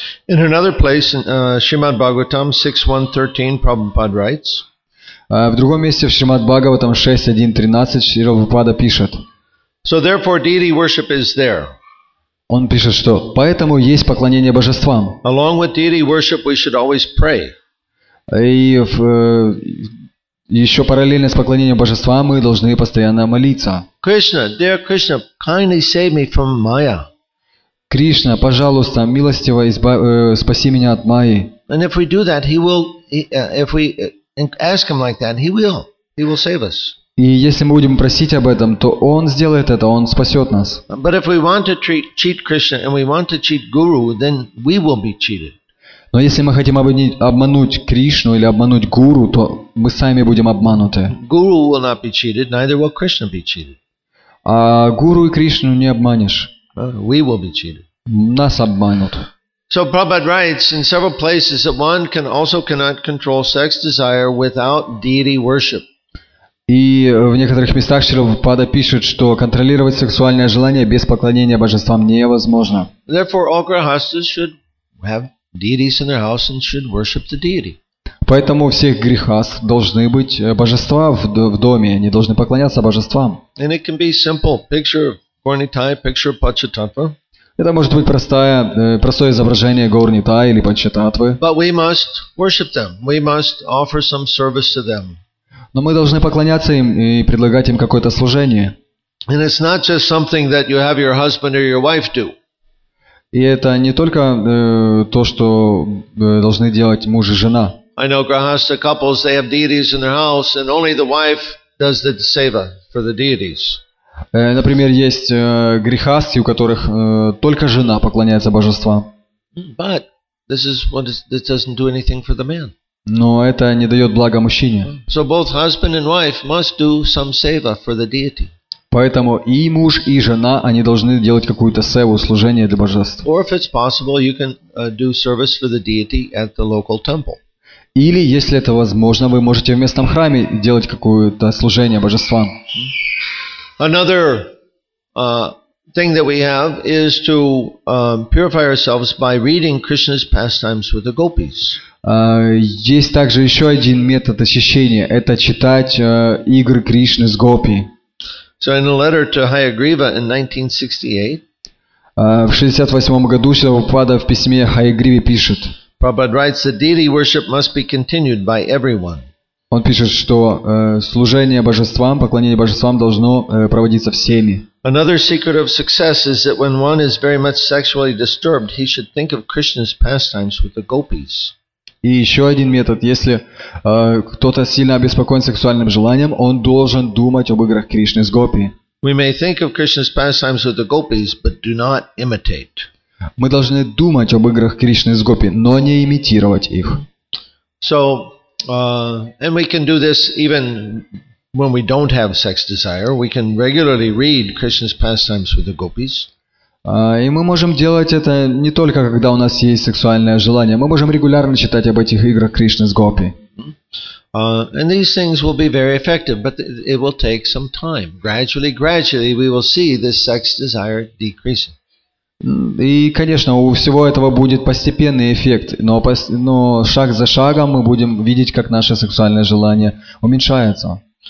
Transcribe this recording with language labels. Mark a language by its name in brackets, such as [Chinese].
[English] In another place, in Srimad Bhagavatam 6.1.13, Prabhupada writes, [Russian] в другом месте, в Шримад Бхагаватам 6.1.13, Шри Прабхупада пишет, [English] so therefore deity worship is there. [Russian] Он пишет, что поэтому есть поклонение божествам. [English] Along with deity worship, we should always pray. [Russian] Еще параллельно с поклонением божества мы должны постоянно молиться. [English] Krishna, dear Krishna, kindly save me from Maya. [Russian] Кришна, пожалуйста, милостиво спаси меня от Майи. [English] And if we do that, he will. If we ask him like that, he will. He will save us. [Russian] И если мы будем просить об этом, то он сделает это, он спасет нас. [English] But if we want to cheat Krishna and we want to cheat Guru, then we will be cheated. [Russian] Но если мы хотим обмануть Кришну или обмануть Гуру, то мы сами будем обмануты. [English] Guru will not be cheated, neither will Krishna be cheated. [Russian] А Гуру и Кришну не обманешь. [English] We will be cheated. [Russian] Нас обманут. [English] So Prabhupada writes in several places that one can also cannot control sex desire without deity worship. [Russian] И в некоторых местах Шрила Прабхупада пишет, что контролировать сексуальное желание без поклонения божествам невозможно. [English] Therefore, all grihasthas should have deities in their house and should worship the deity. [Russian] Поэтому всех грехас должны быть божества в доме, они должны поклоняться божествам. [English] And it can be simple picture of Gornitai, picture of Pachatattva. [Russian] Это может быть простое изображение Горнитай или Пачататвы. [English] But we must worship them. We must offer some service to them. [Russian] Но мы должны поклоняться им и предлагать им какое-то служение. [English] And it's not just something that you have your husband or your wife do. [Russian] И это не только то, что должны делать муж и жена. [English] I know grihastha couples, they have deities in their house, and only the wife does the seva for the deities. [Russian] Например, есть грихасти, у которых только жена поклоняется божествам. [English] But this is what this doesn't do anything for the man. [Russian] Но это не дает блага мужчине. [English] So both husband and wife must do some seva for the deity. [Russian] Поэтому и муж, и жена, они должны делать какую-то севу, служение для божества. Или, если это возможно, вы можете в местном храме делать какое-то служение божествам. [English] Another thing that we have is to purify ourselves by reading Krishna's pastimes with the gopis. [Russian] Есть также еще один метод очищения. Это читать игры Кришны с гопи. [English] So in a letter to Hayagriva in 1968, [Russian] в 68 году Шрила Прабхупада в письме Хаягриве пишет. [English] Prabhupada writes that deity worship must be continued by everyone. [Russian] Он пишет, что служение божествам, поклонение божествам должно проводиться всеми. [English] Another secret of success is that when one is very much sexually disturbed, he should think of Krishna's pastimes with the gopis. [Russian] И еще один метод, если кто-то сильно обеспокоен сексуальным желанием, он должен думать об играх Кришны с гопи. [English] We may think of Krishna's pastimes with the gopis, but do not imitate. [Russian] Мы должны думать об играх Кришны с гопи, но не имитировать их. [English] So, and we can do this even when we don't have sex desire. We can regularly read Krishna's pastimes with the gopis. [Russian] И мы можем делать это не только когда у нас есть сексуальное желание, мы можем регулярно читать об этих играх Кришны с гопи. [English] And these things will be very effective, but it will take some time. Gradually we will see this sex desire decreasing. [Russian] И, конечно, у всего этого будет постепенный эффект, но шаг за шагом мы будем видеть, как наше сексуальное желание уменьшается.